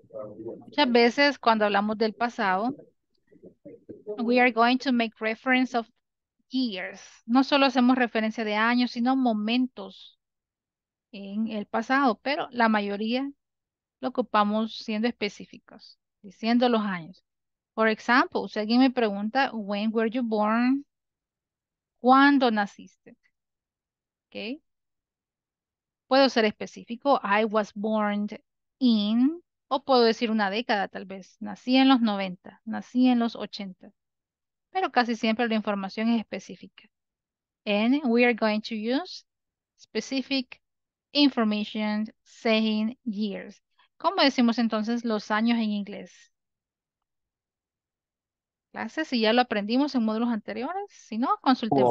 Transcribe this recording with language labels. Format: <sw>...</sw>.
<es>Muchas veces cuando hablamos del pasado,</es> <en>we are going to make reference of years.</en> <es>No solo hacemos referencia de años, sino momentos en el pasado, pero la mayoría lo ocupamos siendo específicos, diciendo los años.</es> <en>For example,</en> <es>si alguien me pregunta,</es> <en>when were you born?</en> <es>¿Cuándo naciste? Okay. Puedo ser específico,</es> <en>I was born in,</en> <es>o puedo decir una década tal vez, nací en los 90, nací en los 80. Pero casi siempre la información es específica.</es> <en>And we are going to use specific information saying years.</en> <es>¿Cómo decimos entonces los años en inglés? Clases, si ya lo aprendimos en módulos anteriores, si no, consultemos.</es>